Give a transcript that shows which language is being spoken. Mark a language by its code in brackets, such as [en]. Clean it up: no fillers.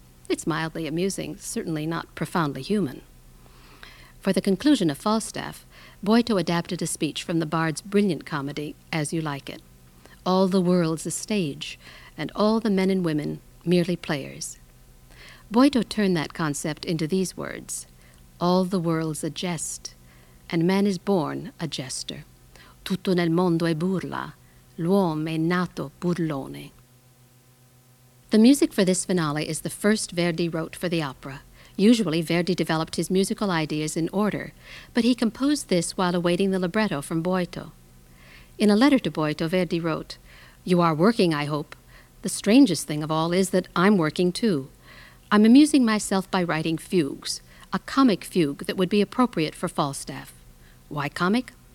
[en] It's mildly amusing, certainly not profoundly human. For the conclusion of Falstaff, Boito adapted a speech from the Bard's brilliant comedy, As You Like It. All the world's a stage, and all the men and women merely players. Boito turned that concept into these words, "All the world's a jest, and man is born a jester. [it] Tutto nel mondo è burla, l'uomo è nato burlone." [en] The music for this finale is the first Verdi wrote for the opera. Usually, Verdi developed his musical ideas in order, but he composed this while awaiting the libretto from Boito. In a letter to Boito, Verdi wrote, "You are working, I hope. The strangest thing of all is that I'm working too. I'm amusing myself by writing fugues, a comic fugue that would be appropriate for Falstaff. Why comic?